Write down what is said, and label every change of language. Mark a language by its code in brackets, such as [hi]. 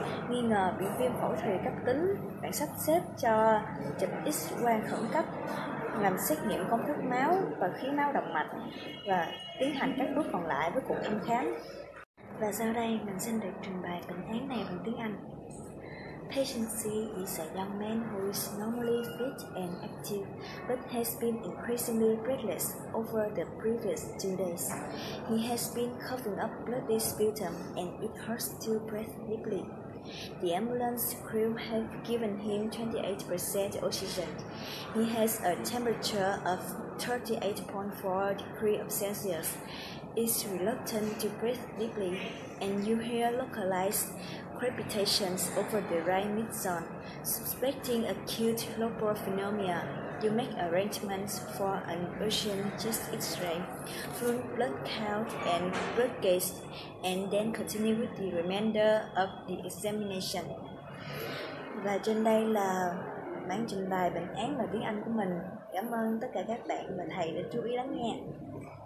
[vi] Nghi ngờ bị viêm phổi thùy cấp tính, bạn sắp xếp cho chụp X-quang khẩn cấp, làm xét nghiệm công thức máu và khí máu động mạch và tiến hành các bước còn lại với cuộc thăm khám. Và sau đây mình xin được trình bày bệnh án này bằng tiếng Anh. [en] Patient C is a young man who is normally fit and active, but has been increasingly breathless over the previous 2 days. He has been coughing up bloody sputum and it hurts to breathe deeply. The ambulance crew have given him 28% oxygen. He has a temperature of 38.4 degrees of Celsius, is reluctant to breathe deeply, and you hear localized crepitations over the right mid zone. Suspecting acute lobar pneumonia, you make arrangements for an urgent chest X-ray, full blood count and blood gauge, and then continue with the remainder of the examination. [vi] Và trên đây là bản trình bày bệnh án và tiếng Anh của mình. Cảm ơn tất cả các bạn và thầy đã chú ý lắng nghe.